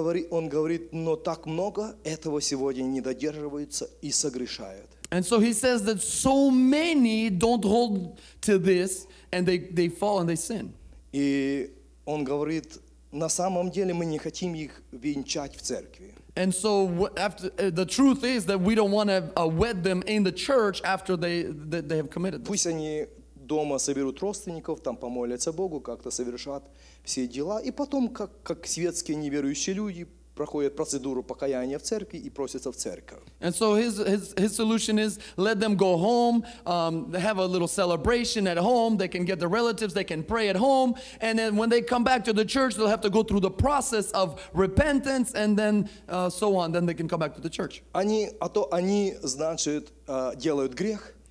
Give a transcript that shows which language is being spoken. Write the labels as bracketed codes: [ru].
[ru] Он говорит, но так много этого сегодня не додерживаются и согрешают. [en] And so he says that so many don't hold to this and they fall and they sin. [ru] И он говорит, на самом деле мы не хотим их венчать в церкви. [en] And so after the truth is that we don't want to wed them in the church after they have committed. [ru] Пусть они дома соберут родственников, там помолятся Богу, как-то совершат все дела, и потом, как светские неверующие люди, проходят процедуру покаяния в церкви и просятся в церковь. [en] And so his solution is, let them go home, have a little celebration at home, they can get their relatives, they can pray at home, and then when they come back to the church, they'll have to go through the process of repentance, and then so on, then they can come back to the church. [ru] Они, значит, делают грех.